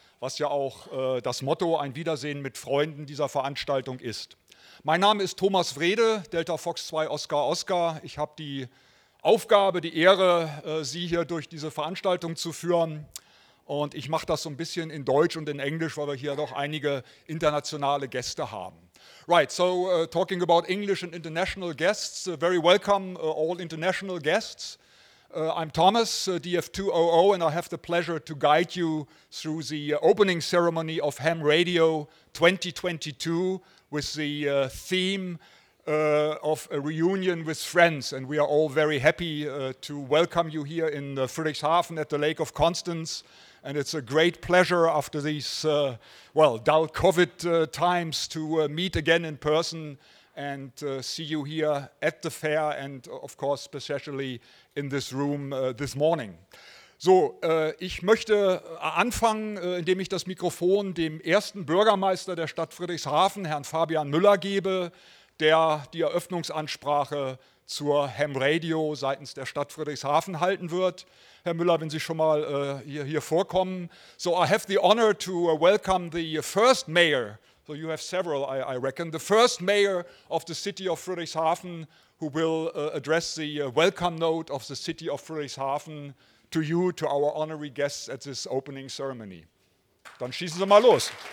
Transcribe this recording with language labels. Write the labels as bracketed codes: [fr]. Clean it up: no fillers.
[de] Was ja auch das Motto ein Wiedersehen mit Freunden dieser Veranstaltung ist. Mein Name ist Thomas Wrede, Delta Fox 2 Oscar Oscar. Ich habe die Aufgabe, die Ehre, Sie hier durch diese Veranstaltung zu führen. Und ich mache das so ein bisschen in Deutsch und in Englisch, weil wir hier doch einige internationale Gäste haben. [en] Right, so talking about English and international guests, very welcome all international guests. I'm Thomas, DF200, and I have the pleasure to guide you through the opening ceremony of Ham Radio 2022 with the theme of a reunion with friends. And we are all very happy to welcome you here in Friedrichshafen at the Lake of Constance. And it's a great pleasure after these, dull COVID times to meet again in person and see you here at the fair and, of course, especially in this room this morning. [de] So, ich möchte anfangen, indem ich das Mikrofon dem ersten Bürgermeister der Stadt Friedrichshafen, Herrn Fabian Müller, gebe, der die Eröffnungsansprache zur Ham Radio seitens der Stadt Friedrichshafen halten wird. Herr Müller, wenn Sie schon mal hier vorkommen. [en] So, I have the honor to welcome the first mayor. So you have several, I reckon. The first mayor of the city of Friedrichshafen who will address the welcome note of the city of Friedrichshafen to you, to our honorary guests at this opening ceremony. [de] Dann schießen Sie mal los.